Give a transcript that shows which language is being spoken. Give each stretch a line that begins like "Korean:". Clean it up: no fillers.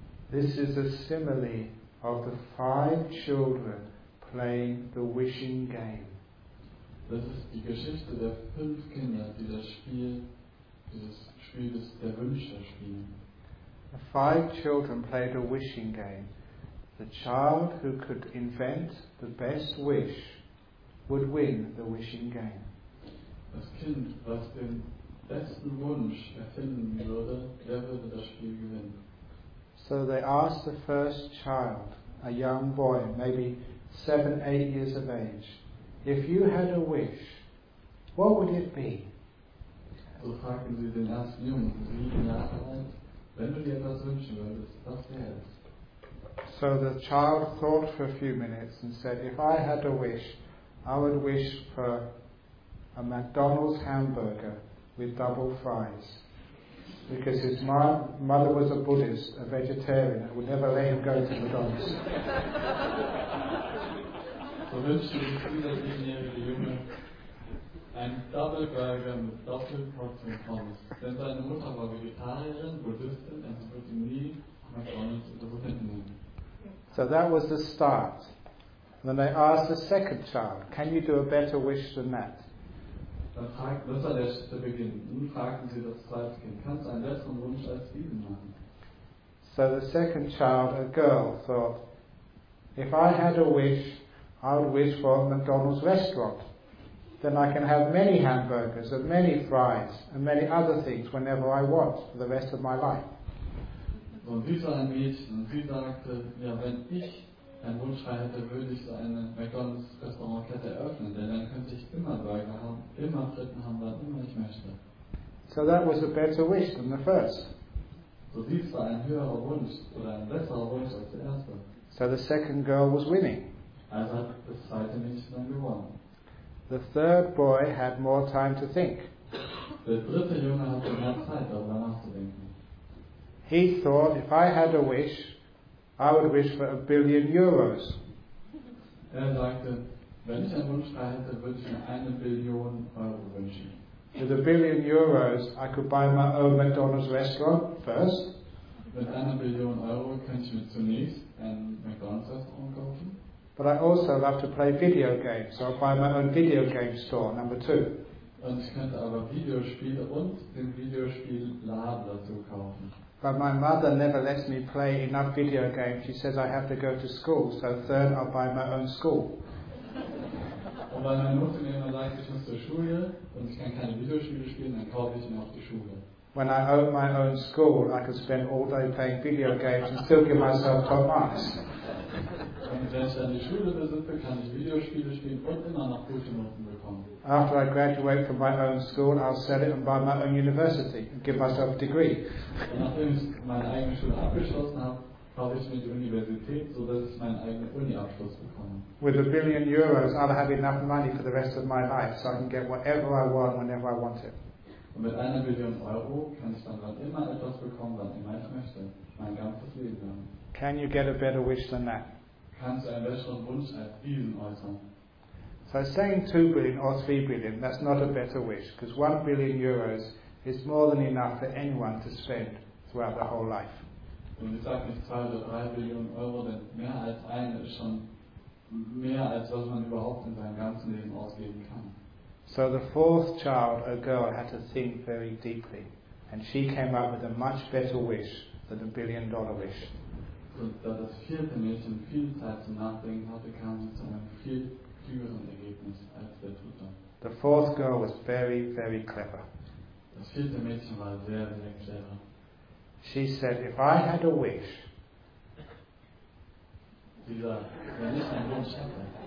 English: This is a simile of the five children playing the wishing game.
German: Das ist die Geschichte der fünf Kinder, die das Spiel, dieses Spiel des der Wünsche spielen.
English: The five children played a wishing game. The child who could invent the best wish would win the wishing game.
German: Das Kind, was den besten Wunsch erfinden würde, der würde das Spiel gewinnen.
English: So they asked the first child, a young boy, maybe 7-8 years of age, if you had a wish, what would it be?
German: So fragen sie den ersten Jungen, 7 Jahre alt, wenn du dir etwas wünschen würdest, was wäre es?
English: So the child thought for a few minutes and said, if I had a wish, I would wish for a McDonald's hamburger with double fries. Because his mother was a Buddhist, a vegetarian, and would never let him go to McDonald's.
German: So wünschte die 7-jährige Junge ein Double Burger mit Doppelportion Pommes. Denn seine Mutter war Vegetarierin, Buddhistin, und sie würde nie McDonald's in der Hand nehmen.
English: So that was the start. And then they asked the second child, can you do a better wish than that?
German: Das war der Beginn. Nun fragten sie das zweite Kind, kannst du einen besseren Wunsch als diesen machen?
English: So the second child, a girl, thought, if I had a wish, I would wish for a McDonald's restaurant. Then I can have many hamburgers and many fries and many other things whenever I want for the rest of my life.
German: So, und sie sah ein Mädchen und sie sagte, ja, wenn ich einen Wunsch frei hätte, würde ich so eine McDonald's Restaurantkette eröffnen, denn dann könnte ich immer Burger haben, immer Fritten haben, was immer ich möchte.
English: So that was a better wish than the first.
German: So dies war ein höherer Wunsch oder ein besserer Wunsch als der erste.
English: So the second girl was winning.
German: Also hat das zweite Mädchen dann gewonnen.
English: The third boy had more time to think.
German: Der dritte Junge hatte mehr Zeit, darüber nachzudenken.
English: He thought, if I had a wish, I would wish for €1 billion.
German: Er sagte, wenn ich einen Wunsch frei hätte, würde ich mir 1 Billion Euro wünschen.
English: With €1 billion, I could buy my own McDonald's restaurant first.
German: Mit 1 Billion Euro könnte ich mir zunächst ein McDonald's Restaurant kaufen.
English: But I also love to play video games, so I'll buy my own video game store, number two.
German: Und ich könnte aber Videospiele und den Videospielladen dazu kaufen.
English: But my mother never lets me play enough video games. She says I have to go to school, so third I'll buy my own school.
German: Und weil meine Mutter mir immer sagt, ich muss zur Schule und ich kann keine Videospiele spielen, dann kaufe ich mir auch die Schule.
English: When I own my own school, I can spend all day playing video games and still give myself top marks.
German: Und wenn ich dann die Schule besuche, kann ich Videospiele spielen und immer noch gute Noten bekommen.
English: After I graduate from my own school, I'll sell it and buy my own university and give myself a degree.
German: Und nachdem ich meine eigene Schule abgeschlossen habe, kaufe ich mir die Universität, sodass ich meinen eigenen Uni-Abschluss bekomme.
English: With €1 billion, I'll have enough money for the rest of my life, so I can get whatever I want, whenever I want it.
German: Und mit 1 Billion Euro kann ich dann immer etwas bekommen, was immer ich möchte, mein ganzes Leben lang.
English: Can you get a better wish than that?
German: Kannst du einen besseren Wunsch als diesen äußern?
English: So saying 2 billion or 3 billion, that's not a better wish, because 1 billion euros is more than enough for anyone to spend throughout their whole life.
German: Und ich sage nicht 2 oder 3 Billionen Euro, denn mehr als eine ist schon mehr, als was man überhaupt in seinem ganzen Leben ausgeben kann.
English: So the fourth child, a girl, had to think very deeply, and she came up with a much better wish than a $1 billion wish.
German: So da das vierte Mädchen viel Zeit zum Nachdenken hatte, kam sie zu einem viel klügeren Ergebnis als der dritte.
English: The fourth girl was very, very clever.
German: Das vierte Mädchen war sehr, sehr clever.
English: She said, if I had a wish,
German: wenn ich einen Wunsch hätte,